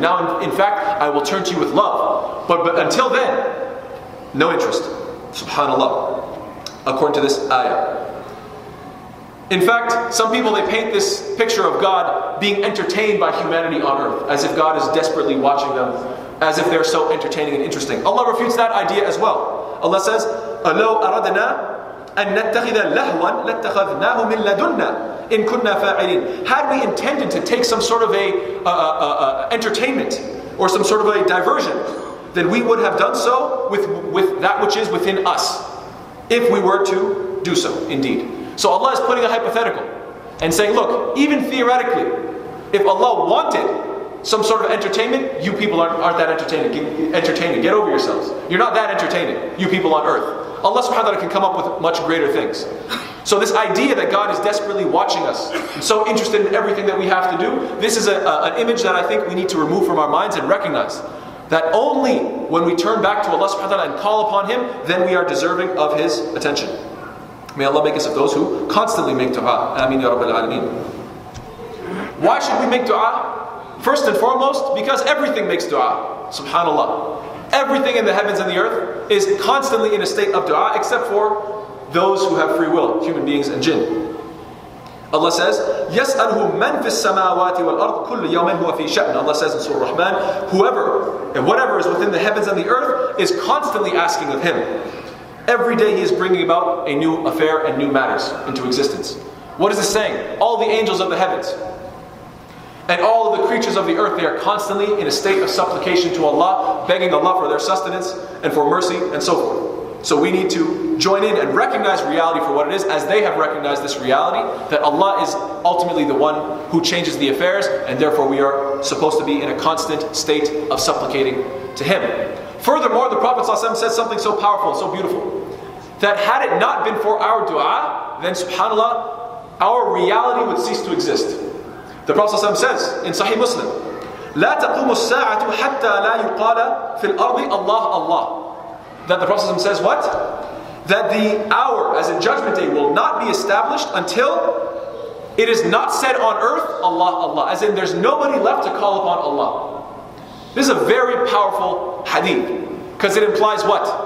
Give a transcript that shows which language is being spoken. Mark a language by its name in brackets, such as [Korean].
[English] Now, in fact, I will turn to you with love. But until then, no interest. SubhanAllah. According to this ayah. In fact, some people, they paint this picture of God being entertained by humanity on earth, as if God is desperately watching them, as if they're so entertaining and interesting. Allah refutes that idea as well. Allah says, [Arabic] أَلَوْ أَرَدْنَا أَن نَتَّخِذَ لَهْوًا لَتَّخَذْنَاهُ مِنْ لَدُنَّا إِن كُنَّا فَاعِلِينَ. [English] Had we intended to take some sort of a entertainment, or some sort of a diversion, then we would have done so with that which is within us, if we were to do so, indeed. So Allah is putting a hypothetical and saying, look, even theoretically, if Allah wanted some sort of entertainment, you people aren't that entertaining. Get over yourselves. You're not that entertaining, you people on earth. Allah subhanahu wa ta'ala can come up with much greater things. So this idea that God is desperately watching us, and so interested in everything that we have to do, this is an image that I think we need to remove from our minds and recognize. That only when we turn back to Allah subhanahu wa ta'ala and call upon Him, then we are deserving of His attention. May Allah make us of those who constantly make dua. Ameen ya Rabbil Alameen. Why should we make dua? First and foremost, because everything makes dua. SubhanAllah. Everything in the heavens and the earth is constantly in a state of dua, except for those who have free will, human beings and jinn. Allah says, [Arabic] يَسْأَلْهُ مَنْ فِي السَّمَاوَاتِ وَالْأَرْضِ كُلُّ يَوْمٍ هُوَ فِي شَأْنٍ. [English] Allah says in Surah Rahman, whoever and whatever is within the heavens and the earth is constantly asking of Him. Every day He is bringing about a new affair and new matters into existence. What is this saying? All the angels of the heavens and all of the creatures of the earth, they are constantly in a state of supplication to Allah, begging Allah for their sustenance and for mercy and so forth. So we need to join in and recognize reality for what it is, as they have recognized this reality, that Allah is ultimately the one who changes the affairs, and therefore we are supposed to be in a constant state of supplicating to Him. Furthermore, the Prophet ﷺ says something so powerful, so beautiful, that had it not been for our dua, then subhanAllah, our reality would cease to exist. The Prophet ﷺ says in Sahih Muslim, [Arabic] لا تقوم الساعة حتى لا يقال في الأرض الله الله. [English] That the Prophet ﷺ says what? That the hour, as in Judgment Day, will not be established until it is not said on earth, Allah, Allah. As in, there's nobody left to call upon Allah. This is a very powerful hadith. Because it implies what?